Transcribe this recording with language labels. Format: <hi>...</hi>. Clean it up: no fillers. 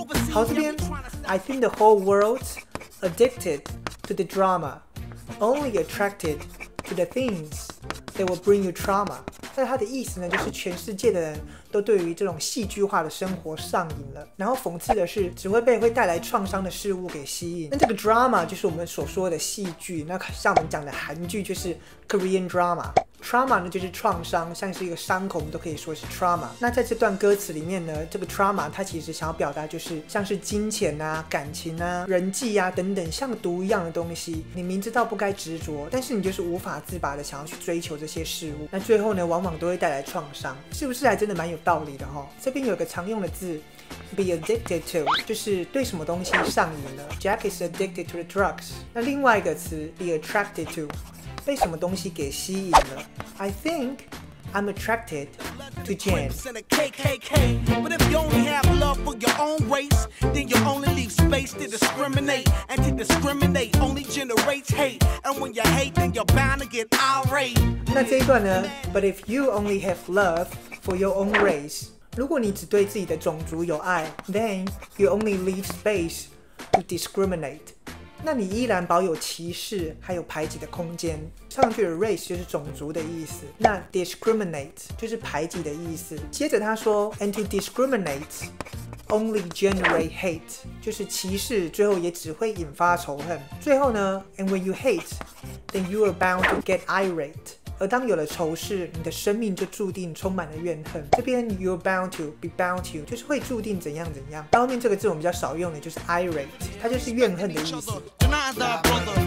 <zh>好，这边</zh> <en>I think the whole world addicted to the drama, only attracted to the things that will bring you trauma。</en> <zh>那它的意思呢，就是全世界的人都对于这种戏剧化的生活上瘾了，然后讽刺的是只会被会带来创伤的事物给吸引。那这个 drama 就是我们所说的戏剧，那像我们讲的韩剧就是 Korean drama。 trauma 呢就是创伤，像是一个伤口我们都可以说是 trauma。那在这段歌词里面呢，这个 trauma 它其实想要表达就是像是金钱啊、感情啊、人际啊等等像毒一样的东西，你明知道不该执着，但是你就是无法自拔的想要去追求这些事物，那最后呢往往都会带来创伤。是不是还真的蛮有道理的哈？这边有个常用的字 ，be addicted to， 就是对什么东西上瘾了。</zh> <en>Jack is addicted to the drugs。</en> <zh>那另外一个词 ，be attracted to， 被什么东西给吸引了。</zh> <en>I think I'm attracted to Jane。</en> <zh>那这一段呢</zh> <en>？But if you only have love。 For your own race，</en> <zh>如果你只对自己的种族有爱</zh> <en>，then you only leave space to discriminate。</en> <zh>那你依然保有歧视还有排挤的空间。上句的 race 就是种族的意思，那 discriminate 就是排挤的意思。接着他说 ，</zh> <en>and to discriminate only generate hate，</en> <zh>就是歧视最后也只会引发仇恨。最后呢</zh> <en>，and when you hate， then you are bound to get irate。</en> <zh>而当有了仇视，你的生命就注定充满了怨恨。这边 you're bound to be bound to 就是会注定怎样怎样。后面这个字我们比较少用的，就是 irate， 它就是怨恨的意思。</zh>